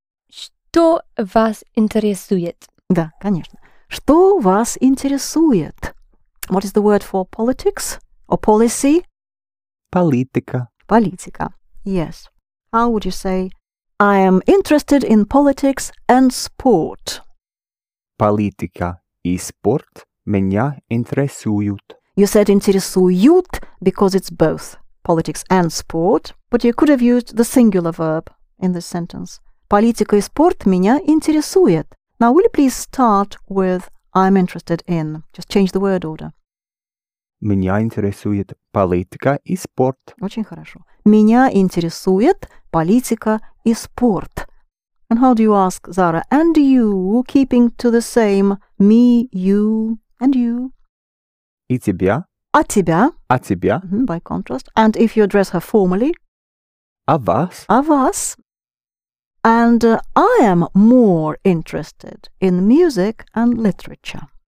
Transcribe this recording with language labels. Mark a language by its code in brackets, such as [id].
[ru] Что вас интересует? Да, конечно. Что вас интересует? [en] What is the word for politics or policy? [ru] Политика. Политика. Yes. [en] How would you say I am interested in politics and sport? [ru] Политика и спорт меня интересуют. [en] You said интересуют because it's both. Politics and sport, but you could have used the singular verb in this sentence. [ru] Политика и спорт меня интересует. [en] Now, will you please start with I'm interested in? Just change the word order. [ru] Меня интересует политика и спорт. Очень хорошо. Меня интересует политика и спорт. [en] And how do you ask, Zara, and you, keeping to the same me, you, and you? [ru] И тебя. А тебя. А тебя. [en] Mm-hmm, by contrast. And if you address her formally? [ru] А вас. А вас. [en] And I am more interested in music and literature.